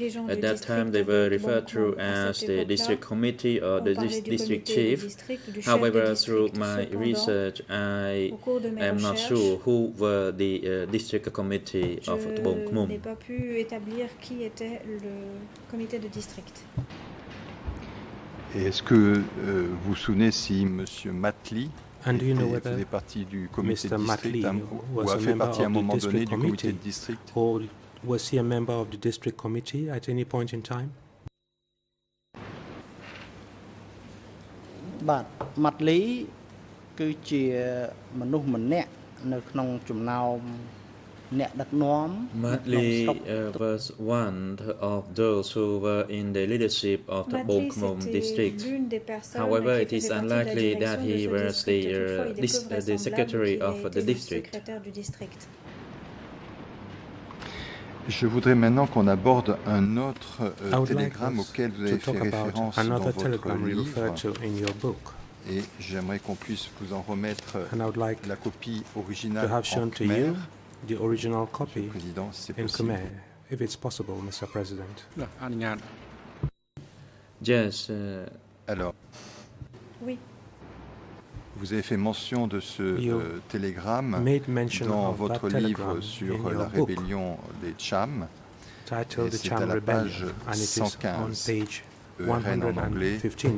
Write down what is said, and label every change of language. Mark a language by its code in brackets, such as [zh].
[en] At that time, they were referred to as the district committee or the district chief. However, through my research, I am not sure who were the district committee of Tobong Khmom. [fr] Je n'ai pas pu établir qui était le comité de district. Et est-ce que vous vous souvenez si Monsieur Matli faisait partie du comité de district ou a fait partie à un moment donné du comité de district? [en] Or was he a member of the district committee at any point in time? But Matli, que chia manuk manek nek nong chum nao. Matli was one of those who were in the leadership of the Bong Khmom district. However, it is unlikely that he was the secretary of the district. [fr] Je voudrais maintenant qu'on aborde un autre télégramme auquel vous avez fait référence dans votre livre. Et j'aimerais qu'on puisse vous en remettre la copie originale en Khmer. [en] The original copy in Khmer, if it's possible, Mr. President. Yes. [fr] Alors. Oui. Vous avez fait mention de ce télégramme dans votre livre sur la rébellion des Cham. [en] Titled The Cham Rebellion, and it is on page 115.